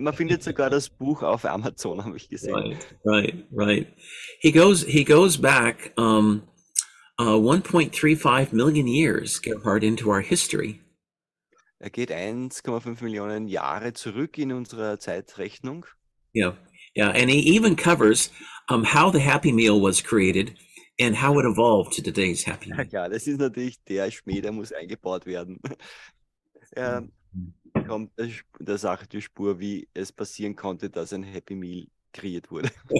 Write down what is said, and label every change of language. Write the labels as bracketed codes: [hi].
[de] Man findet sogar das Buch auf Amazon, habe ich gesehen. [en] Right. He goes back 1.35 million years, Gerhard, into our history. [de] Er geht 1,5 Millionen Jahre zurück in unserer Zeitrechnung. [en] Yeah, and he even covers how the Happy Meal was created and how it evolved to today's Happy Meal. [de] Ja, das ist natürlich der Schmäh, der muss eingebaut werden. Er kommt der Sache die Spur, wie es passieren konnte, dass ein Happy Meal kreiert wurde.